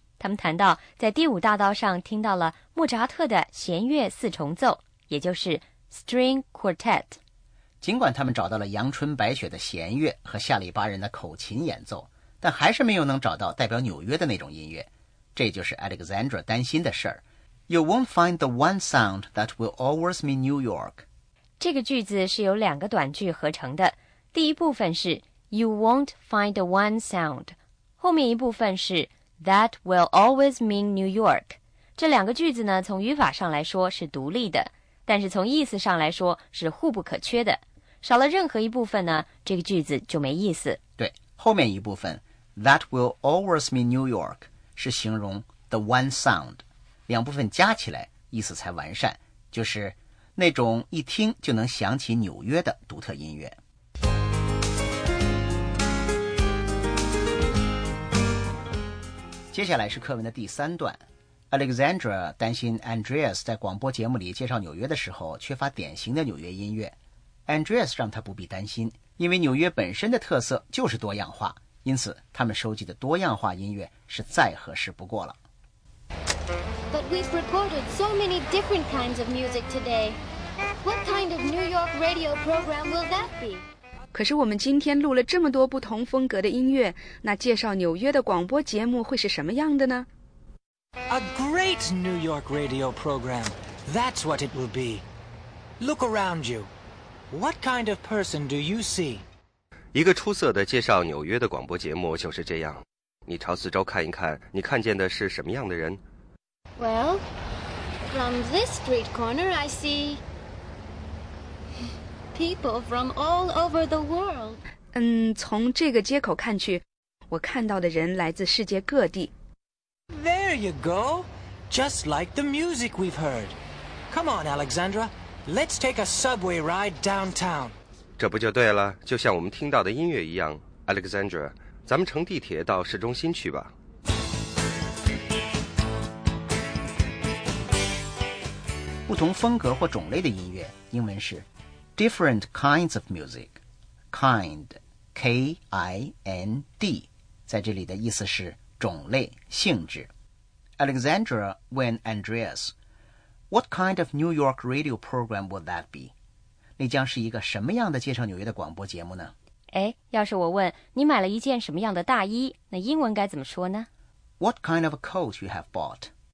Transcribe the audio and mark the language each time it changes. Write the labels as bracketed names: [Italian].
[Chinese] 他们谈到在第五大道上听到了莫扎特的弦乐四重奏，也就是 [English] string quartet。 [Chinese] 尽管他们找到了阳春白雪的弦乐和夏里巴人的口琴演奏，但还是没有能找到代表纽约的那种音乐。这就是 Alexandra 担心的事儿。 [English] You won't find the one sound that will always mean New York. [Chinese] 这个句子是由两个短句合成的。第一部分是 [English] You won't find the one sound， [Chinese] 后面一部分是 [English] That will always mean New York。 [Chinese] 这两个句子呢，从语法上来说是独立的，但是从意思上来说是互不可缺的，少了任何一部分呢，这个句子就没意思。对，后面一部分 [English] That will always mean New York [Chinese] 是形容 the one sound， 两部分加起来意思才完善，就是那种一听就能想起纽约的独特音乐。接下来是课文的第三段。Alexandra 担心 Andreas 在广播节目里介绍纽约的时候缺乏典型的纽约音乐。 Andreas 让他不必担心，因为纽约本身的特色就是多样化，因此他们收集的多样化音乐是再合适不过了。 [English] But we've recorded so many different kinds of music today. What kind of New York radio program will that be? [Chinese] 可是我们今天录了这么多不同风格的音乐，那介绍纽约的广播节目会是什么样的呢？ [English] A great New York radio program. That's what it will be. Look around you. What kind of person do you see? [Chinese] 一个出色的介绍纽约的广播节目就是这样。你朝四周看一看，你看见的是什么样的人？ [English] Well, from this street corner, I see people from all over the world. [Chinese] 从这个街口看去，我看到的人来自世界各地。 [English] There There you go. Just like the music we've heard. Come on, Alexandra. Let's take a subway ride downtown. [Chinese] 这不就对了，就像我们听到的音乐一样。 Alexandra, 咱们乘地铁到市中心去吧。不同风格或种类的音乐，英文是 [English] different kinds of music. [Chinese] Kind, K-I-N-D, 在这里的意思是种类、性质。 Alexandra问 Andreas, [English] What kind of New York radio program would that be? [Chinese] 那将是一个什么样的介绍纽约的广播节目呢？哎，要是我问你买了一件什么样的大衣，那英文该怎么说呢？ [English] What kind of a coat you have bought?